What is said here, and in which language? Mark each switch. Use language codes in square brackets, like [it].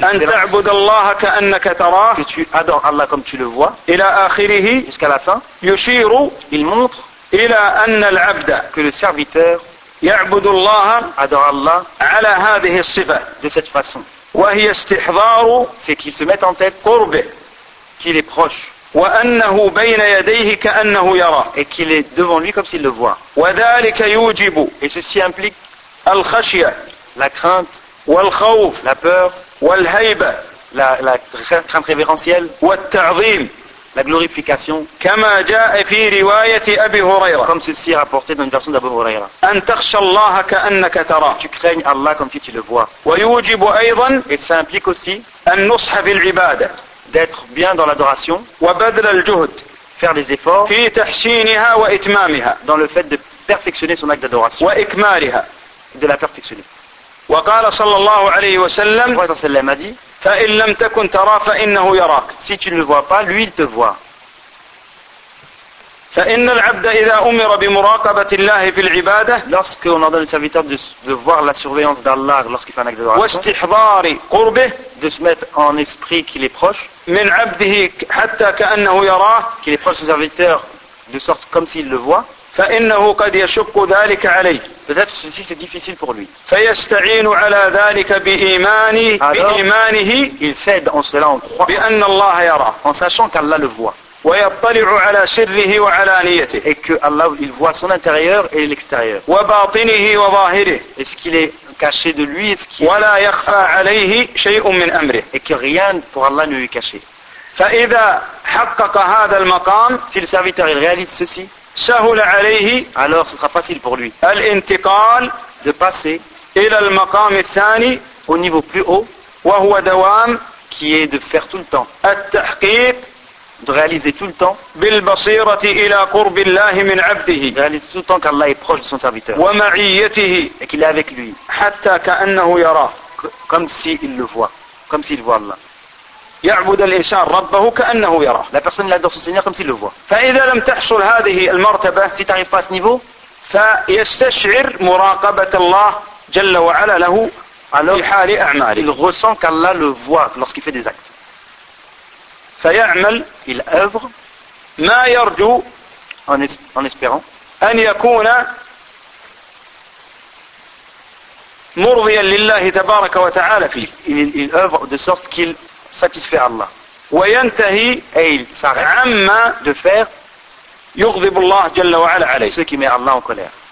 [ar] l'Ihsan, أن تعبد الله كأنك تراه, [fr] que tu adores Allah comme tu le vois, [ar] إلى آخره, [fr] jusqu'à la fin, [ar] يشير, [fr] il montre, [ar] إلى أن العبد, [fr] que le serviteur, [ar] يعبد الله, [fr] adore Allah, [ar] على هذه الصفة, [fr] de cette façon, [ar] وهي استحضار, [fr] c'est qu'il se met en tête, [ar] قربه, [fr] qu'il est proche, [ar] وأنه بين يديه كأنه يرى, [fr] et qu'il est devant lui comme s'il le voit, [ar] وذلك يوجب, [fr] et ceci implique, [ar] الخشية, [fr] la crainte, [ar] والخوف, [fr] la peur, [ar] والهيبة, [fr] la crainte révérentielle, [ar] والتعظيم, [fr] la glorification, [ar] كما جاء في رواية أبي هريرة, [fr] comme ceci est rapporté dans une version d'Abu Huraira, [ar] أن تخشى الله كأنك ترى, [fr] tu craignes Allah comme si tu le vois, [ar] ويوجب أيضا, [fr] et ça implique aussi, [ar] أن نصح في العبادة, [fr] d'être bien dans l'adoration, [ar] وبذل الجهد, [fr] faire des efforts, [ar] في تحسينها وإتمامها, [fr] dans le fait de perfectionner son acte d'adoration, [ar] وإكمالها, [fr] de la perfectionner. [ar] وقال صلى الله عليه وسلم, الله عليه وسلم دي, فإن لم تكن ترى فإنه يراك, [fr] si tu ne vois pas, lui il te voit. [ar] فإن العبد إذا أمر بمراقبة الله في العبادة, [fr] lorsque on ordonne le serviteur de voir la surveillance d'Allah lorsqu'il fait un acte d'adoration, [ar] واستحضار قربه, [fr] de se mettre en esprit qu'il est proche, [ar] من عبده حتى كأنه يراه, [fr] qu'il est proche du serviteur de sorte comme s'il le voit, [ar] فإنه قد يشق ذلك عليه, [fr] peut-être que ceci c'est difficile pour lui, [ar] فيستعين على ذلك بإيماني, [fr] alors, [ar] بإيمانه, [fr] il cède en cela, en croit, [ar] بأن الله يرى, [fr] en sachant qu'Allah le voit, [ar] ويطلع على سره وعلى نيته, [fr] et que Allah il voit son intérieur et l'extérieur, [ar] وباطنه وظاهره, [fr] est-ce qu'il est caché de lui, est-ce qu'il, [ar] ولا يخفى عليه شيء من أمره, [fr] et que rien pour Allah ne lui est caché. [ar] فإذا حقق هذا المقام, [fr] si le serviteur il réalise ceci, [ar] سهل عليه, [fr] alors ce sera facile pour lui, [ar] الانتقال, [fr] de passer, [ar] إلى المقام الثاني, [fr] au niveau plus haut, [ar] وهو دوام, [fr] qui est de faire tout le temps, [ar] التحقيق, [fr] de réaliser tout le temps, [ar] بالبصيرة إلى قرب الله من عبده, [fr] de réaliser tout le temps qu'Allah est proche de son serviteur, [ar] ومعيته, [fr] et qu'il est avec lui, [ar] حتى كأنه يراه, [fr] comme s'il le voit, comme s'il voit Allah. [ar] يعبد الإنسان ربه كأنه يرى. [fr] La personne l'adore son Seigneur comme s'il le voit. [ar] فإذا لم تحصل هذه المرتبة, [fr] si tu n'arrives pas à ce niveau, [ar] فيستشعر مراقبة الله جل وعلا له, [fr] alors, [ar] في حال أعماله. [fr] Il ressent qu'Allah le voit lorsqu'il fait des actes. [ar] فيعمل, [fr] il œuvre, [ar] ما يرجو, [fr] en espérant, [ar] أن يكون مرضيا لله تبارك وتعالى فيه. [fr] Il œuvre de sorte qu'il satisfait Allah. [ar] وينتهي, [fr] et il s'arrête, [ar] عما, [fr] de faire, [ar] يغضب الله جل وعلا عليه, [fr] ce qui met Allah en colère.